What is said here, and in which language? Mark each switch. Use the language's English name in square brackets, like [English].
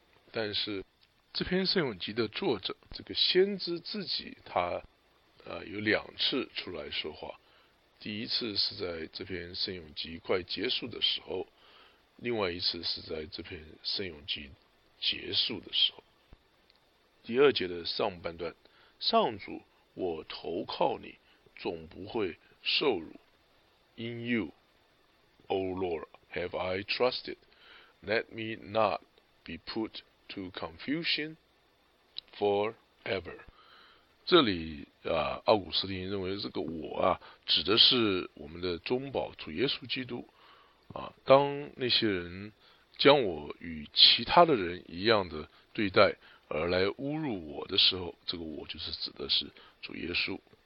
[Chinese] 但是这篇圣咏集的作者这个先知自己他有两次出来说话，第一次是在这篇圣咏集快结束的时候，另外一次是在这篇圣咏集结束的时候。第二节的上半段，上主我投靠你，总不会受辱。 [English] In you, O Lord, have I trusted, let me not be put to confusion forever. [Chinese] 这里奥古斯丁认为这个我指的是我们的中保主耶稣基督当那些人将我与其他的人一样的对待而来侮辱我的时候，这个我就是指的是主耶稣。